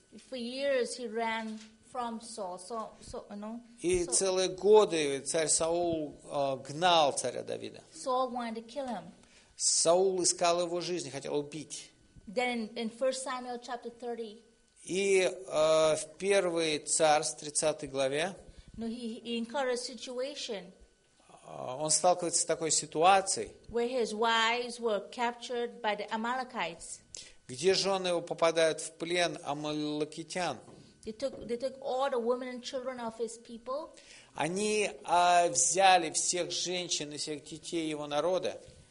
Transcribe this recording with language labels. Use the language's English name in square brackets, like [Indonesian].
[English] For years he ran from Saul. [Russian] И целые годы царь Саул гнал царя Давида. [English] Saul wanted to kill him. [Russian] Саул искал его жизни, хотел убить. [English] Then in 1 Samuel chapter 30. [Russian] И в первый царь, 30 главе, [English] he encountered a situation. [Russian] Он сталкивается с такой ситуацией, [English] where his wives were captured by the Amalekites. [Russian] Где жены его попадают в плен амалекитян. [English] They took all the women and children of his people. [Russian] Они взяли всех женщин и всех детей его народа.